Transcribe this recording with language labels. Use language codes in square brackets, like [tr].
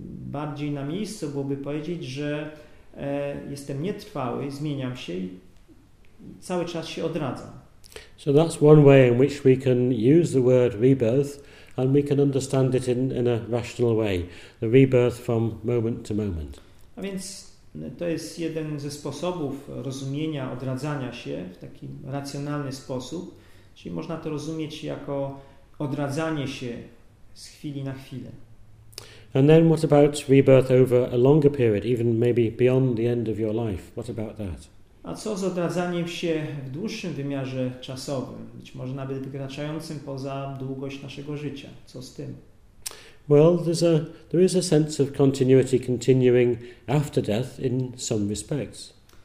[pl] Bardziej na miejscu byłoby powiedzieć, że jestem nietrwały, zmieniam się i cały czas się odradzam. [en] So that's one way in which we can use the word rebirth and we can understand it in a rational way. The rebirth from moment to moment. [pl] A więc to jest jeden ze sposobów rozumienia odradzania się w taki racjonalny sposób. Czyli można to rozumieć jako odradzanie się z chwili na chwilę. [en] And then what about rebirth over a longer period, even maybe beyond the end of your life? What about that? [pl] A co z odradzaniem się w dłuższym wymiarze czasowym, być może nawet wykraczającym poza długość naszego życia? Co z tym? [en] Well, there is a sense of continuity continuing after death in some respects.